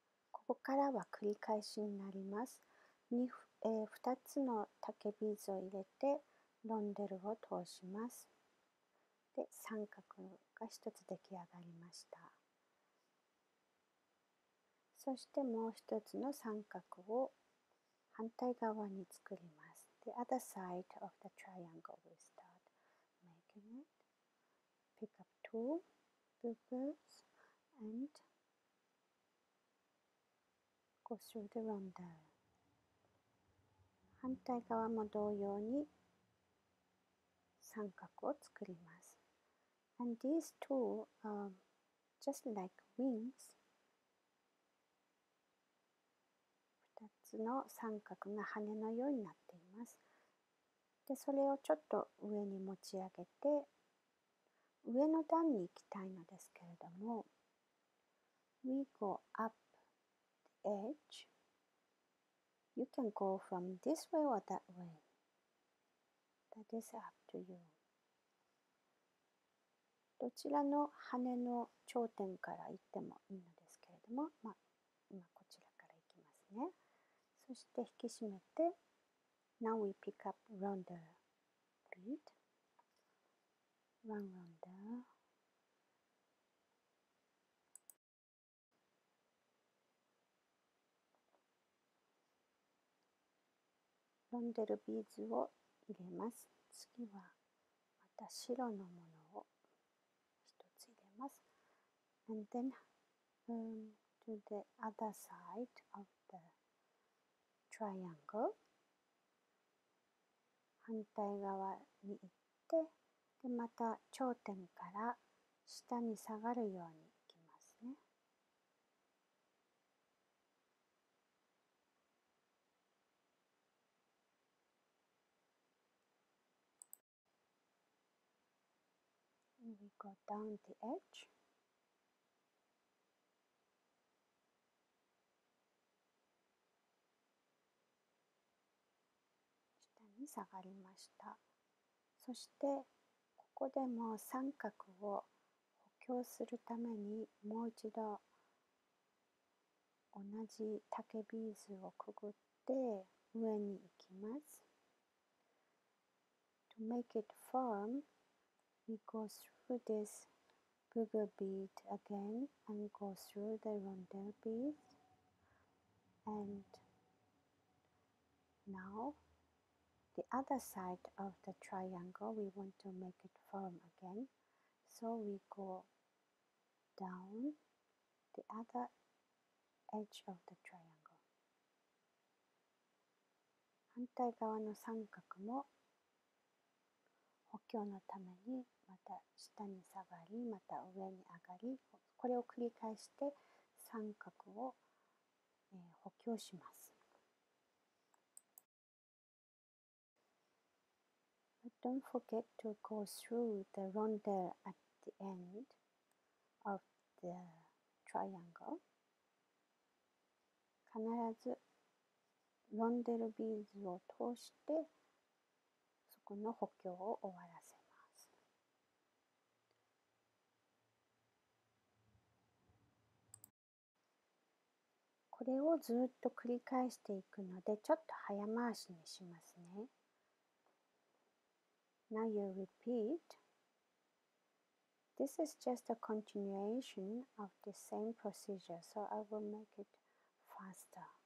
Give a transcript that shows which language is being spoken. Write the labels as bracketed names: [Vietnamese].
[Japanese] ここからは繰り返しになります。2つの竹ビーズを入れて、ロンデルを通します。で、三角が一つ出来上がりました。そしてもう一つの三角を反対側に作ります。 [English] The other side of the triangle we start making it. Pick up two loops and go through the rondelle. [Japanese] 反対側も同様に三角を作ります。 [English] And these two are just like wings. [Japanese] 2つの三角が羽のようになっています。で、それをちょっと上に持ち上げて上の段に行きたいのですけれども、 [English] We go up the edge. You can go from this way or that way. That is up to you. [Japanese] どちらの羽の頂点から行ってもいいのですけれども、まあ、今こちらから行きますね。そして引き締めて、 [English] Now we pick up rondelle bead. One rondelle. [Japanese] ロンデルビーズを入れます。次はまた白のものを一つ入れます。 [English] And then, to the other side of the triangle. [Japanese] 反対側に行って、で、また頂点から下に下がるように行きますね。 [English] We go down the edge. [Japanese] 下がりました。そしてここでも三角を補強するためにもう一度同じ竹ビーズをくぐって上に行きます。 [English] To make it firm, we go through this bugle bead again and go through the rondelle bead. And now. The other side of the triangle, we want to make it firm again. So we go down the other edge of the triangle. [Japanese] 反対側の三角も補強のためにまた下に下がり、また上に上がり、これを繰り返して三角を補強します。 [English] Don't forget to go through the rondelle at the end of the triangle. [Japanese] 必ずロンデルビーズを通してそこの補強を終わらせます。これをずっと繰り返していくのでちょっと早回しにしますね。 [English] Now you repeat. This is just a continuation of the same procedure, so I will make it faster.